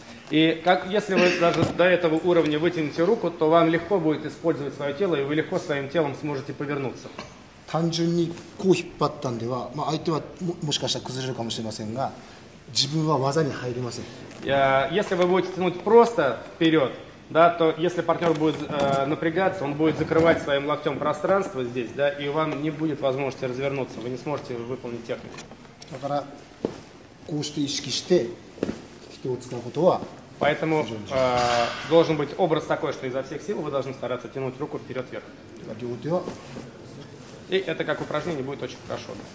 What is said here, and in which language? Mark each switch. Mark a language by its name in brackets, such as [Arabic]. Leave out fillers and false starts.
[Russian] И как, если вы даже до этого уровня вытянете руку, то вам легко будет использовать свое тело, и вы легко своим телом сможете повернуться. [Japanese] 単純にこう引っ張ったんでは、まあ相手はもしかしたら崩れるかもしれませんが、自分は技に入りません。 [Russian] Если вы будете тянуть просто вперед, да, то если партнер будет напрягаться, он будет закрывать своим локтем пространство здесь, да, и вам не будет возможности развернуться, вы не сможете выполнить технику. [Japanese] だからこうして意識して引き手を使うことは [Russian] Поэтому должен быть образ такой, что изо всех сил вы должны стараться тянуть руку вперед-вверх. И это как упражнение будет очень хорошо.